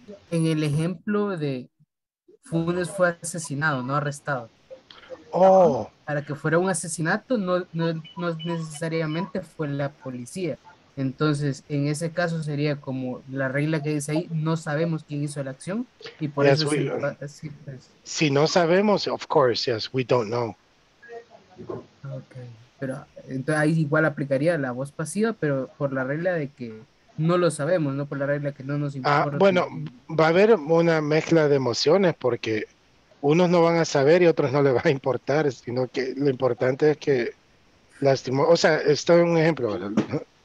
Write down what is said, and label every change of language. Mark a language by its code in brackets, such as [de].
[es] En el ejemplo de Funes fue asesinado, no arrestado. Oh. Para que fuera un asesinato, no necesariamente fue la policía. Entonces, en ese caso sería como la regla que dice ahí, no sabemos quién hizo la acción y por [en] yes, [es] eso [en] we, [es] si no sabemos, [en] of course, yes, we don't know. Okay. [es] Pero entonces ahí igual aplicaría la voz pasiva, pero por la regla de que no lo sabemos, no por la regla que no nos importa. Bueno, va a haber una mezcla de emociones porque unos no van a saber y otros no les va a importar, sino que lo importante es que lastimó, o sea, esto es un ejemplo, ¿verdad?